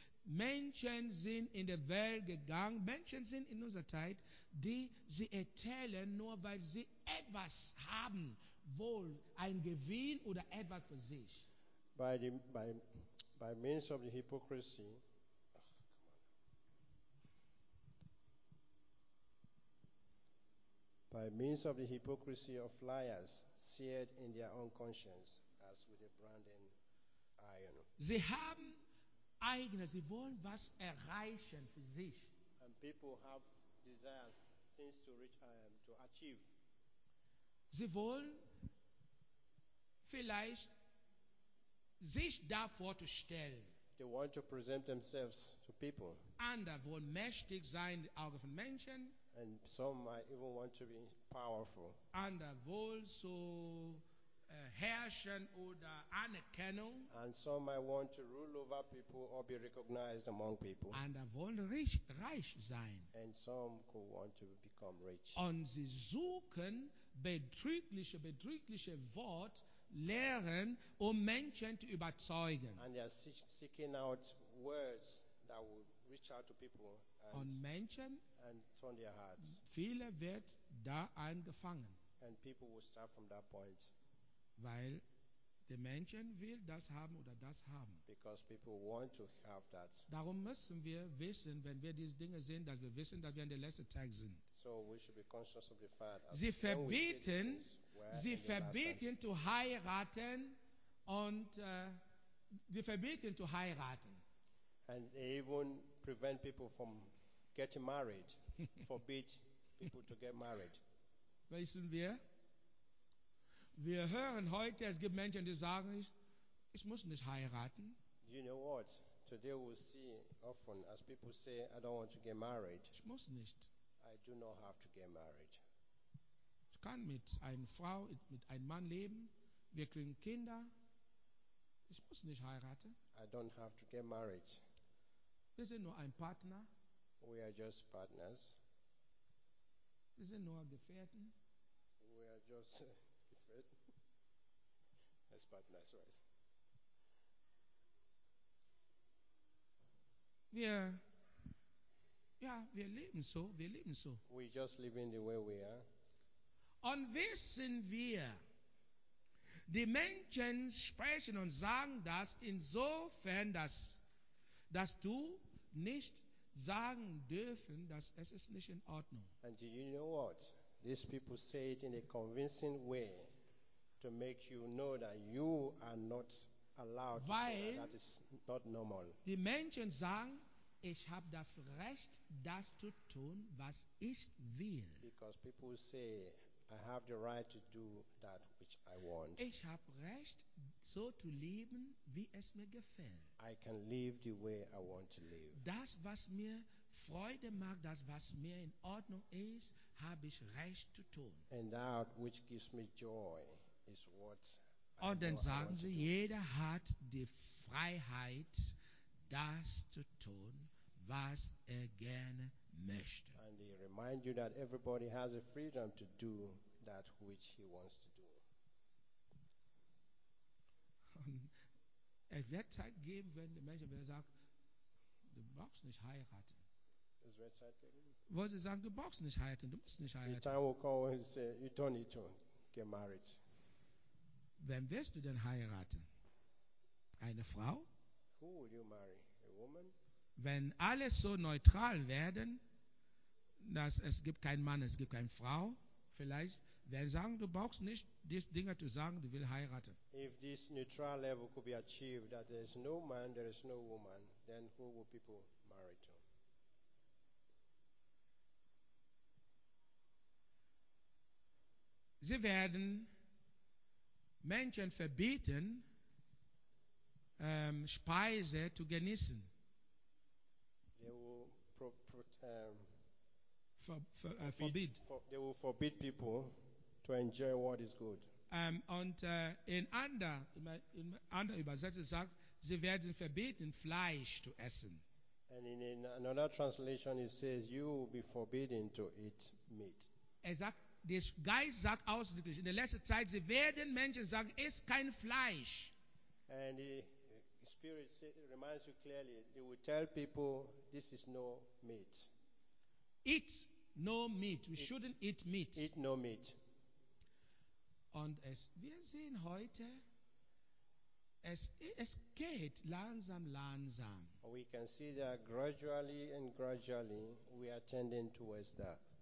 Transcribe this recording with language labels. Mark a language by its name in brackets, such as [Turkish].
[German] Menschen sind in der Welt gegangen, Menschen sind in unserer Zeit, die sie erzählen, nur weil sie etwas haben, wohl ein Gewinn oder etwas für sich. [English] By means of the hypocrisy, by means of the hypocrisy of liars, seared in their own conscience, as with a branding iron. [German] Sie haben eigene, sie wollen was erreichen für sich. [English] And people have desires, things to reach, to achieve. [German] Sie wollen vielleicht sich davor zu stellen. [English] They want to present themselves to people. [German] Andere wollen mächtig sein in den Augen von Menschen. [English] And some might even want to be powerful. [German] Andere wollen so herrschen oder Anerkennung. [English] And some might want to rule over people or be recognized among people. [German] Andere wollen reich sein. [English] And some could want to become rich. [German] Und sie suchen betrügliche Wort lehren, um Menschen zu überzeugen. [English] And they are seeking out words that will reach out to people and [German] Menschen, [English] and turn their hearts. [German] Viele wird da angefangen. [English] And people will start from that point. [German] Weil die Menschen will das haben oder das haben. [English] Because people want to have that. [German] Darum müssen wir wissen, wenn wir diese Dinge sehen, dass wir wissen, dass wir in der letzten Zeit sind. [English] So we should be conscious of the fact that [German] sie verbieten, zu heiraten und sie verbieten zu heiraten. [English] And they even prevent people from getting married, forbid people to get married. [German] Wissen wir? Wir hören heute, es gibt Menschen, die sagen, ich muss nicht heiraten. [English] You know what? Today we see often as people say, I don't want to get married. [German] Ich muss nicht. [English] I do not have to get married. [German] Ich kann mit einer Frau, mit einem Mann leben. Wir kriegen Kinder. Ich muss nicht heiraten. [English] I don't have to get married. [German] Wir sind nur ein Partner. [English] We are just partners. [German] Wir sind nur Gefährten. [English] We are just [German] Gefährten. [English] As partners, right? [German] Wir leben so. [English] We just live in the way we are. [German] Und wissen wir, die Menschen sprechen und sagen das insofern, dass du nicht sagen dürfen, dass es ist nicht in Ordnung. [English] And do you know what? These people say it in a convincing way to make you know that you are not allowed to say that. That is not normal. [German] Die Menschen sagen, ich habe das Recht, das zu tun, was ich will. [English] Because people say, I have the right to do that which I want. [German] Ich habe Recht, so zu leben, wie es mir gefällt. [English] I can live the way I want to live. [German] Das, was mir Freude macht, das, was mir in Ordnung ist, habe ich Recht zu tun. [English] And that which gives me joy is what [German] Und dann sagen sie, jeder hat die Freiheit, das zu tun, was er gerne möchte. [English] And they remind you that everybody has a freedom to do that which he wants to do. [German] Es wird Zeit geben, wenn die Menschen werden sagen, du brauchst nicht heiraten. Es wird Zeit geben. Wo sie sagen, du brauchst nicht heiraten, du musst nicht heiraten. [English] The time will come when you say, you don't need to get married. [German] Wem wirst du denn heiraten? Eine Frau? [English] Who will you marry? A woman? [German] Wenn alle so neutral werden, dass es gibt keinen Mann, es gibt keine Frau, vielleicht werden sagen, du brauchst nicht diese Dinge zu sagen, du willst heiraten. [English] If this neutral level could be achieved, that there is no man, there is no woman, then who will people marry to? [German] Sie werden Menschen verbieten, Speise zu genießen. [English] They will forbid people to enjoy what is good. [German] In anderer Übersetzung sagt, sie werden verbieten, Fleisch zu essen. [English] And in another translation it says, you will be forbidden to eat meat. Exact. [German] Der Geist sagt ausdrücklich, in der letzten Zeit, sie werden Menschen sagen, es ist kein Fleisch. [English] And the Spirit reminds you clearly, they will tell people, this is no meat. Eat no meat. We shouldn't eat meat. Eat no meat. [German] Und es, wir sehen heute, es geht langsam. [English] We can see that gradually we are tending towards that.